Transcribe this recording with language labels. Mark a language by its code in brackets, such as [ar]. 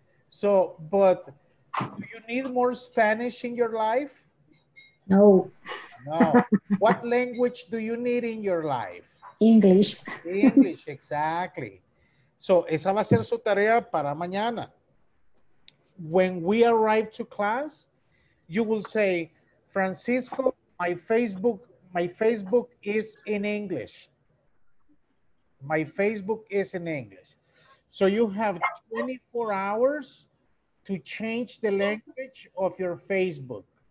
[en] So, but do you need more Spanish in your life? No. No. What language do you need in your life? English. English, exactly. [es] So, esa va a ser su tarea para mañana. [en] When we arrive to class, you will say, Francisco, my Facebook is in English. My Facebook is in English. So, you have 24 hours to change the language of your Facebook.